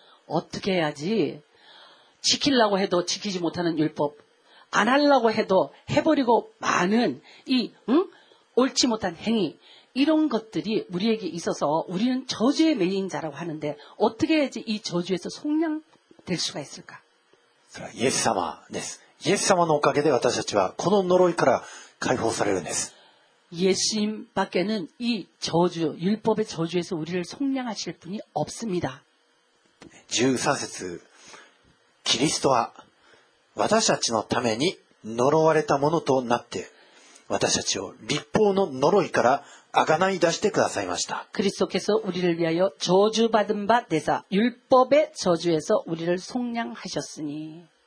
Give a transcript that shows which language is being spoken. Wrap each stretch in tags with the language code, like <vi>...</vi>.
<ko>어떻게해야지지키려고해도지키지못하는율법안하려고해도해버리고마는이응옳지못한행위이런것들이우리에게있어서우리는저주에매인자라고하는데어떻게해야지이저주에서속량될수가있을까</ko> <ja>예수様です예수様のおかげで私たちはこの呪いから解放されるんです</ja> <ko>예수님밖에는이저주율법의저주에서우리를속량하실분이없습니다</ko> <ja>13節キリストは私たちのために呪われたものとなって私たちを律法の呪いから贖い出してくださいました。</ja> <ko>キリスト께서우리를위하여저주받은바되사율법의저주에서우리를속량하셨으니</ko>